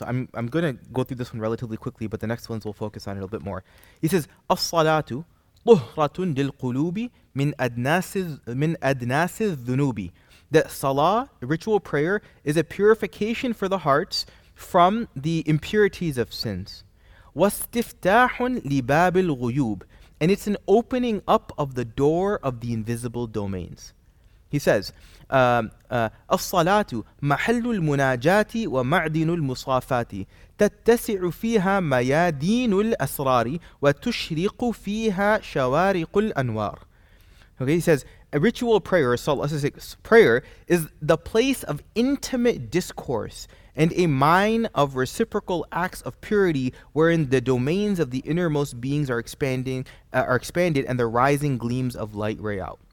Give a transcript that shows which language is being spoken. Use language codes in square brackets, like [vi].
[en] So I'm going to go through this one relatively quickly, but the next ones will focus on it a little bit more. He says, [ar] As-salatu طُهْرَةٌ لِلْقُلُوبِ مِنْ أَدْنَاسِ الذُّنُوبِ. [en] That salah, ritual prayer, is a purification for the hearts from the impurities of sins. [ar] وَاسْتِفْتَاحٌ لِبَابِ الْغُيُوبِ. [en] And it's an opening up of the door of the invisible domains. He says, [ar] الصَّلَاةُ مَحَلُّ الْمُنَاجَاتِ وَمَعْدِنُ الْمُصَافَاتِ. تتسع فيها ميادين الأسرار وتشرق فيها شوارق الأنوار. [en] Okay, he says, a ritual prayer, prayer is the place of intimate discourse and a mine of reciprocal acts of purity wherein the domains of the innermost beings are expanding, are expanded and the rising gleams of light ray out.